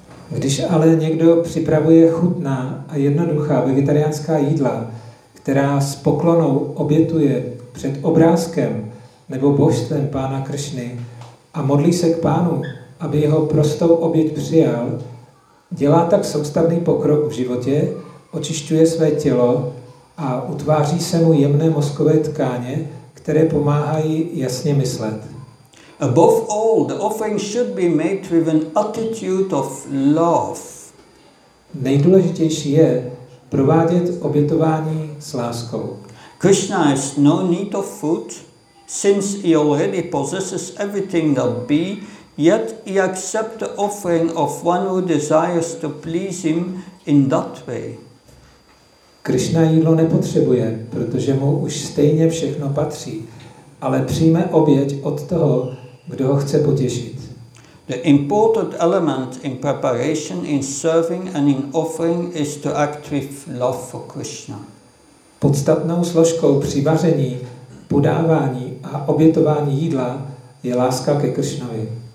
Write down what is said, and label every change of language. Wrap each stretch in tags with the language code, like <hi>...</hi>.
<cs>Když ale někdo připravuje chutná a jednoduchá vegetariánská jídla, která s poklonou obětuje před obrázkem nebo božstvem pána Kršny a modlí se k pánu, aby jeho prostou oběť přijal, dělá tak soustavný pokrok v životě, očišťuje své tělo a utváří se mu jemné mozkové tkáně, které pomáhají jasně myslet.</cs> <en>Above all, the offering should be made with an attitude of love.</en> <cs>Nejdůležitější je provádět obětování s láskou.</cs> <en>Krishna has no need of food, since he already possesses everything that be, yet he accepts the offering of one who desires to please him in that way.</en> <cs>Krishna jídlo nepotřebuje, protože mu už stejně všechno patří, ale přijme oběť od toho, kdo ho chce potěšit.</cs> <en>The important element in preparation, in serving and in offering is to act with love for Krishna.</en> <cs>Podstatnou složkou při vaření, podávání a obětování jídla je láska ke Kršnovi.</cs>